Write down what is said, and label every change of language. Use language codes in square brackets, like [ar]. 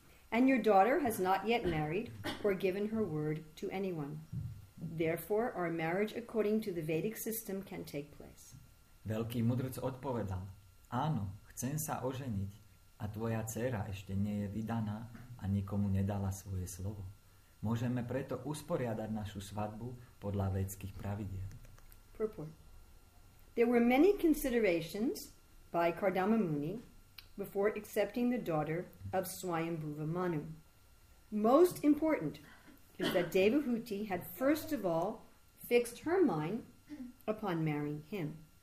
[en] And your daughter has not yet married or given her word to anyone. Therefore, our marriage according to the Vedic system can take place." [sk] Veľký mudrc odpovedal, "Áno, chcem sa oženiť. A tvoja dcéra ešte nie je vydaná a nikomu nedala svoje slovo. Môžeme preto usporiadať našu svadbu podľa vedských pravidiel." [en] Purport. There were many considerations by Kardama Muni before accepting the daughter of Swayambhuva Manu. Most important is that Devahuti had first of all fixed her mind upon marrying him.